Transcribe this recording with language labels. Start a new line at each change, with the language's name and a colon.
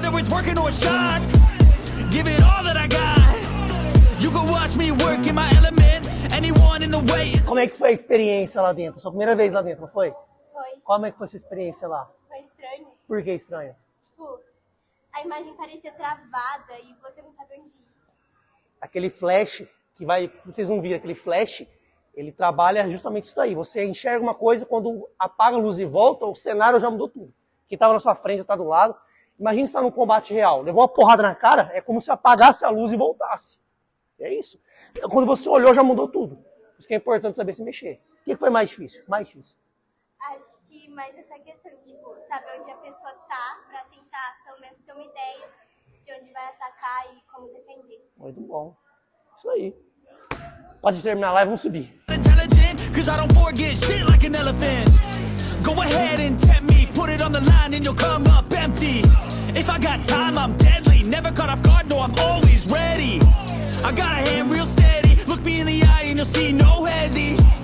English: Working on shots, give it all that I got. You can watch me work in my element. Anyone in the way.
Portuguese: Como é que foi a experiência lá dentro? Sua primeira vez lá dentro, não foi? Foi. Como é que foi a sua experiência lá? Foi estranho. Por que estranho? Tipo, a imagem parecia travada e você não sabe onde ir. aquele flash que vai, vocês vão ver, aquele flash, ele trabalha justamente isso daí. Você enxerga uma coisa, quando apaga a luz e volta, o cenário já mudou tudo. Quem estava na sua frente está do lado. Imagina você estar num combate real, levou uma porrada na cara, é como se apagasse a luz e voltasse. É isso. Quando você olhou, já mudou tudo. Por isso que é importante saber se mexer. O que foi mais difícil? Mais difícil. Acho que mais essa questão, tipo, saber onde a pessoa tá pra tentar, pelo menos, ter uma ideia de onde vai atacar e como defender. Muito bom. Isso aí. Pode terminar a live, vamos subir.
English: Intelligent, cause I don't forget shit like an elephant. Go ahead and tempt me, put it on the line and you'll come up empty. If I got time, I'm deadly. Never caught off guard, no, I'm always ready. I got a hand real steady. Look me in the eye and you'll see no hezzy.